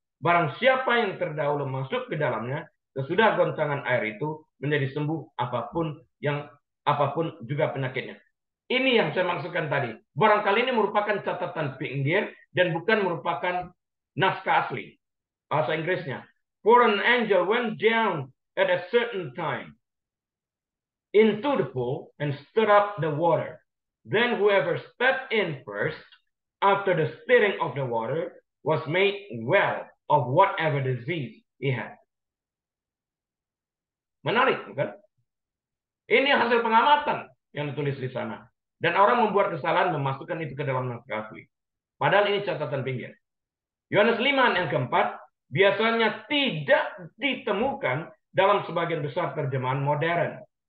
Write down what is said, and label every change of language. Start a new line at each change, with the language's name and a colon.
Indonesian: Barang siapa yang terdahulu masuk ke dalamnya, sesudah goncangan air itu menjadi sembuh apapun juga penyakitnya. Ini yang saya maksudkan tadi. Barangkali ini merupakan catatan pinggir dan bukan merupakan naskah asli. Bahasa Inggrisnya.
English: For an angel went down at a certain time into the pool and stirred up the water. Then whoever stepped in first after the stirring of the water was made well of whatever disease he had.
Indonesian: Menarik, bukan? Ini hasil pengamatan yang ditulis di sana. Dan orang membuat kesalahan memasukkan itu ke dalam naskah asli. Padahal ini catatan pinggir. Yohanes 5 yang keempat biasanya tidak ditemukan dalam sebagian besar terjemahan modern.